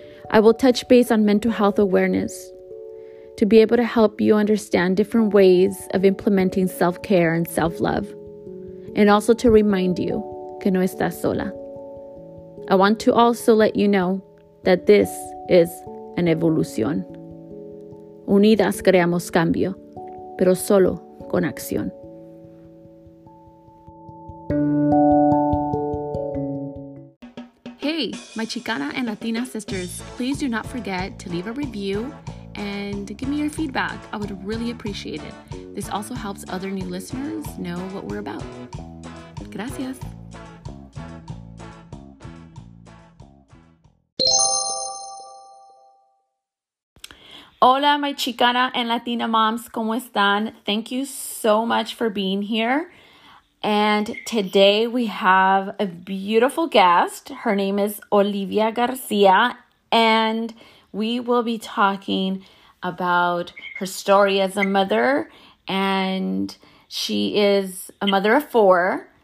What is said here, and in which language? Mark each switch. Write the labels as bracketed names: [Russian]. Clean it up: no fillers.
[English] I will touch base on mental health awareness to be able to help you understand different ways of implementing self-care and self-love, and also to remind you [Spanish] que no estás sola. [English] I want to also let you know that this is an evolución. [Spanish] Unidas creamos cambio, pero solo con acción. [English] Hey, my Chicana and Latina sisters, please do not forget to leave a review and give me your feedback. I would really appreciate it. This also helps other new listeners know what we're about. [Spanish] Gracias. [English] Hola, my Chicana and Latina moms, [Spanish] ¿cómo están? [English] Thank you so much for being here. And today we have a beautiful guest. Her name is Olivia Garcia, and we will be talking about her story as a mother. And she is a mother of four.